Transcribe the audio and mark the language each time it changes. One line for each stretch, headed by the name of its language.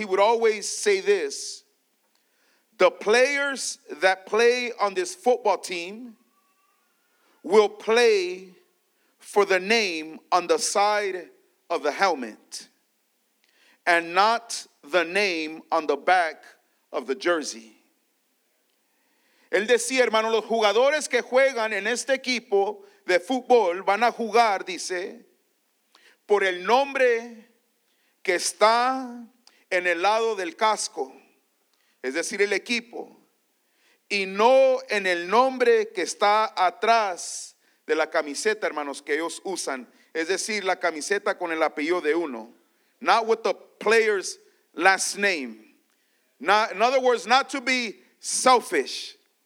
English: He would always say this: the players that play on this football team will play for the name on the side of the helmet and not the name on the back of the jersey.
Spanish: Él decía, hermano, los jugadores que juegan en este equipo de fútbol van a jugar, dice, por el nombre que está en el lado del casco, es decir, el equipo, y no en el nombre que está atrás de la camiseta, hermanos, que ellos usan, es decir, la camiseta con el apellido de uno.
English: Not with the player's last name. Not, in other words, not to be selfish.